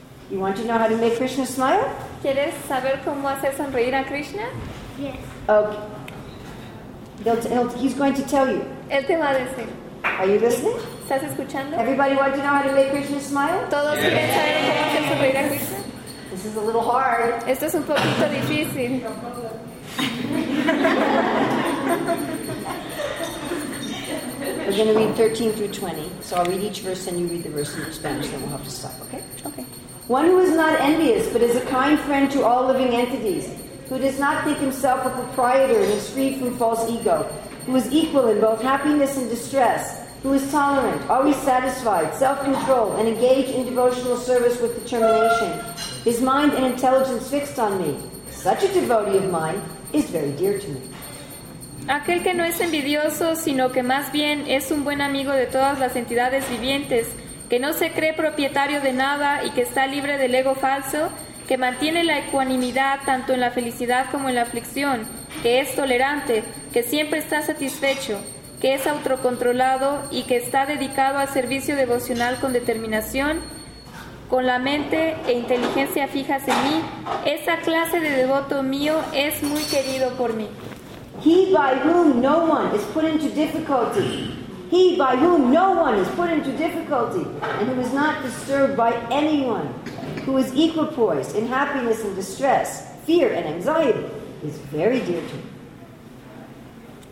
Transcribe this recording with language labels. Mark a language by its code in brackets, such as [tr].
[en] You want to know how to make Krishna smile? [es] ¿Quieres saber cómo hacer sonreír a Krishna? [en] Yes. Okay. He's going to tell you. [es] Él te va a decir. [en] Are you listening? [es] ¿Estás escuchando? [en] Everybody want to know how to make Krishna smile? [es] ¿Todos quieren saber cómo hacer sonreír a Krishna? [en] This is a little hard. [es] Esto es un poquito difícil. [en] We're going to read 13 through 20. So I'll read each verse and you read the verse in Spanish, then we'll have to stop, okay? Okay. One who is not envious, but is a kind friend to all living entities, who does not think himself a proprietor and is free from false ego, who is equal in both happiness and distress, who is tolerant, always satisfied, self-controlled, and engaged in devotional service with determination, his mind and intelligence fixed on me, such a devotee of mine is very dear to me. [es] Aquel que no es envidioso, sino que más bien es un buen amigo de todas las entidades vivientes, que no se cree propietario de nada y que está libre del ego falso, que mantiene la ecuanimidad tanto en la felicidad como en la aflicción, que es tolerante, que siempre está satisfecho, que es autocontrolado y que está dedicado al servicio devocional con determinación, con la mente e inteligencia fijas en mí, esa clase de devoto mío es muy querido por mí. [en] He by whom no one is put into difficulty, and who is not disturbed by anyone, who is equipoised in happiness and distress, fear and anxiety, is very dear to me.